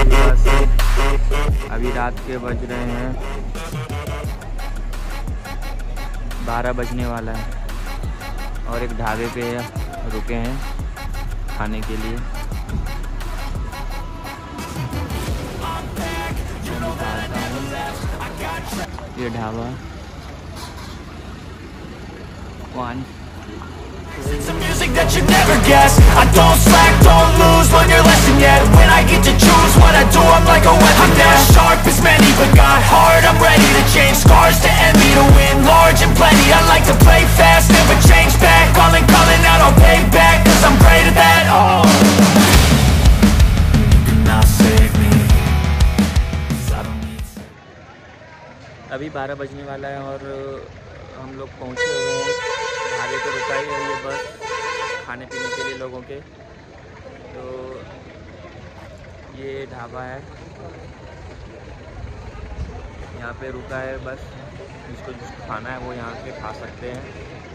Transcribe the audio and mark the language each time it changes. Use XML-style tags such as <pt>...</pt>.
<hi>अभी रात के बज रहे हैं 12 बजने वाला है, और एक ढाबे पे रुके हैं खाने के लिए। ये dhaba one</hi> <en>It's some music that you never guess. I don't slack, don't lose, learn your lesson yet. When I get to choose what I do, I'm like a weapon. I'm not sharp as many, but got heart, I'm ready to change. Scars to envy, to win large and plenty. I like to play fast, never change back. Calling, calling out, I'll pay back, cause I'm great at that, oh. You cannot save me, cause I don't need save.</en> <hi>अभी 12 बजने वाला है और हम लोग पहुंचे हुए हैं। आगे तो रुका ही है ये बस खाने पीने के लिए लोगों के। तो ये ढाबा है, यहाँ पे रुका है बस, जिसको जिसको खाना है वो यहाँ से खा सकते हैं।</hi>